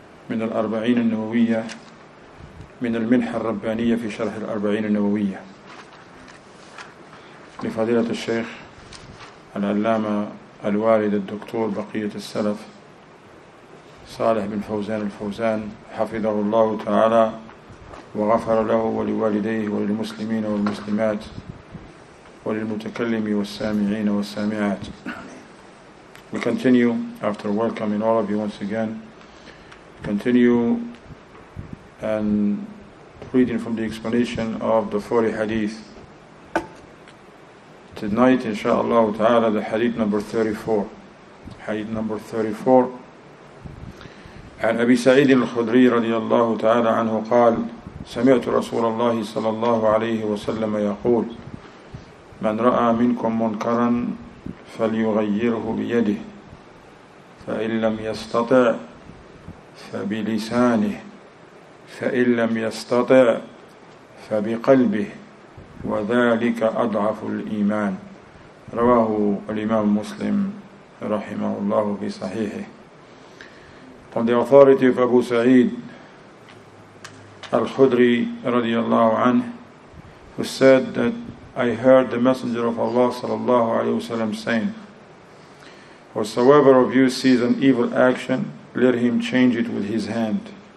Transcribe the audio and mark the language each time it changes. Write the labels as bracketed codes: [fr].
[ar] من 40 النووية من المنحة الربانية في شرح 40 النووية لفضيلة الشيخ العلامة الوالد الدكتور بقية السلف صالح بن فوزان الفوزان حفظه الله تعالى وغفر له ولوالديه وللمسلمين والمسلمات وللمتكلم والسامعين والسامعات. [en] We continue after welcoming all of you once again. Continue and reading from the explanation of the 40 hadith. Tonight, inshallah ta'ala, the hadith number 34. Hadith number 34. [ar] عن أبي سعيد الخدري رضي الله تعالى عنه قال سمعت رسول الله صلى الله عليه وسلم يقول من رأى منكم منكرا فليغيره بيده فإن لم يستطع فبلسانه فإن لم يستطع فبقلبه وذلك أضعف الإيمان رواه الإمام مسلم رحمه الله في صحيحه. [en] From the authority of Abu Sa'id al-Khudri radiallahu anhu, who said that I heard the Messenger of Allah sallallahu alayhi wa sallam saying, whosoever of you sees an evil action, let him change it with his hand.